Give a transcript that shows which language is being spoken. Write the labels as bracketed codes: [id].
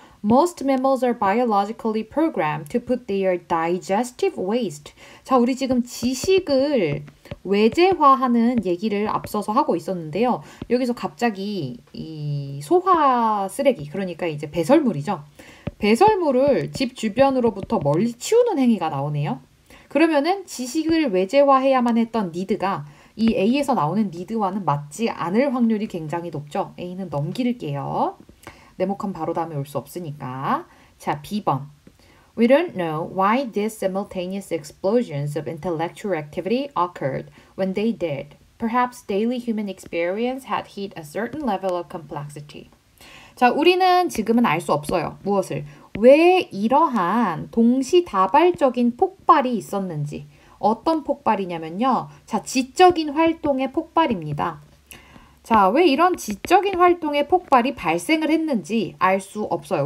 [en] Most mammals are biologically programmed to put their digestive waste. [ko] 자, 우리 지금 지식을 외재화하는 얘기를 앞서서 하고 있었는데요. 여기서 갑자기 이 소화 쓰레기, 그러니까 이제 배설물이죠. 배설물을 집 주변으로부터 멀리 치우는 행위가 나오네요. 그러면은 지식을 외재화해야만 했던 니드가 이 A에서 나오는 니드와는 맞지 않을 확률이 굉장히 높죠. A는 넘길게요. 네모칸 바로 다음에 올수 없으니까. 자, B번. [en] We don't know why these simultaneous explosions of intellectual activity occurred when they did. Perhaps daily human experience had hit a certain level of complexity. [ko] 자, 우리는 지금은 알수 없어요. 무엇을? 왜 이러한 동시다발적인 폭발이 있었는지. 어떤 폭발이냐면요. 자, 지적인 활동의 폭발입니다. 자, 왜 이런 지적인 활동의 폭발이 발생을 했는지 알수 없어요.